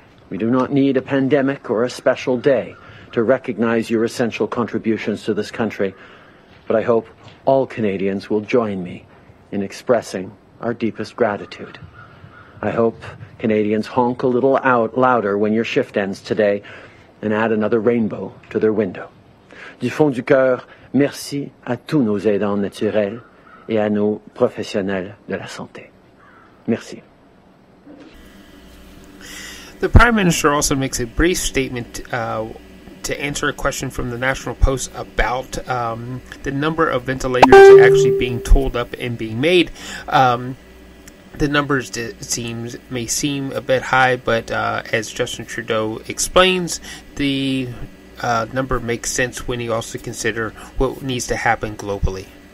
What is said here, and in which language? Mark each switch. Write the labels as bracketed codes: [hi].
[en] We do not need a pandemic or a special day to recognize your essential contributions to this country, but I hope all Canadians will join me in expressing our deepest gratitude. I hope Canadians honk a little out louder when your shift ends today and add another rainbow to their window. [fr] Du fond du cœur, merci à tous nos aidants naturels et à nos professionnels de la santé. Merci. [en] The Prime Minister also makes a brief statement to answer a question from the National Post about the number of ventilators actually being tooled up and being made. The numbers may seem a bit high, but as Justin Trudeau explains, the number makes sense when you also consider what needs to happen globally.